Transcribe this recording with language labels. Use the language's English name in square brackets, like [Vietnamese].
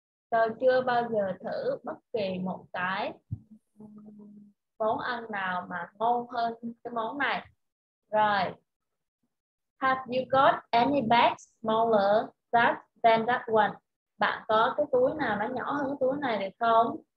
[Vietnamese] Tôi chưa bao giờ thử bất kỳ một cái món ăn nào mà ngon hơn cái món này. Rồi. [English] Have you got any bag smaller than that one? [Vietnamese] Bạn có cái túi nào nó nhỏ hơn cái túi này được không?